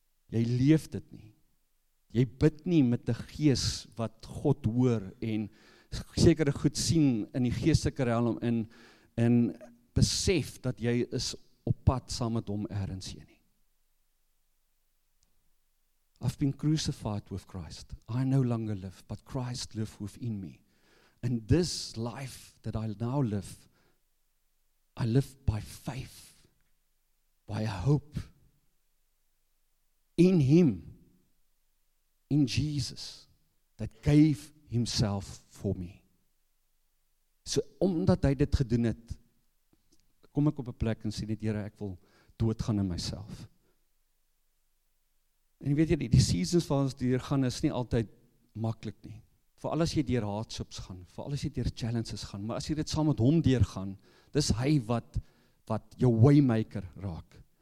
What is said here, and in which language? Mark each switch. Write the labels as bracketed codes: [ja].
[af] Jy leef dit nie. Jy bid nie met 'n gees wat God hoor en sekere goed sien in die geestelike realm en besef dat jy is op pad saam met hom ergens heen. [en] I've been crucified with Christ. I no longer live, but Christ lives within me. And this life that I now live, I live by faith, by hope in Him, in Jesus, that gave Himself for me. [af] So, omdat hy dit gedoen het, kom ek op 'n plek en sê net, Here, ek wil doodgaan in myself. En weet jy, die seasons waar ons deur gaan is nie altyd maklik nie. Vooral as jy deur hardships gaan, vooral as jy deur challenges gaan, maar as jy dit saam met hom deur gaan, dis hy wat jou waymaker raak.